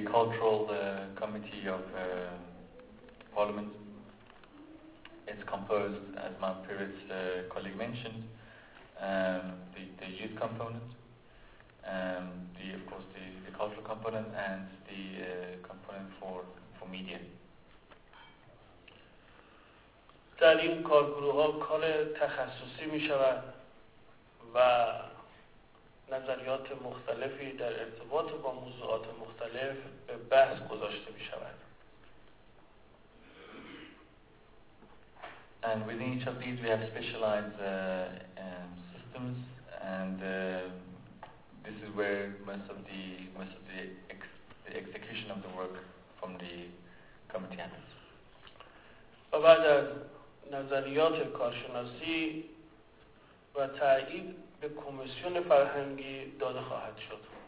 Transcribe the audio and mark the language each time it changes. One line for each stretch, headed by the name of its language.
English: The cultural committee of parliament is composed, as my previous colleague mentioned, the youth component, of course the cultural component, and the component for media.
Persian: در این کارگروه ها کار تخصصی می شود و نظریات مختلفی در ارتباط با موضوعات مختلف به بحث گذاشته می شود.
English: And within each of these we have specialized systems, and this is where most of the execution of the work from the committee happens.
Persian: و بعد از نظریات کارشناسی و تایید به کمیسیون فرهنگی داده خواهد شد.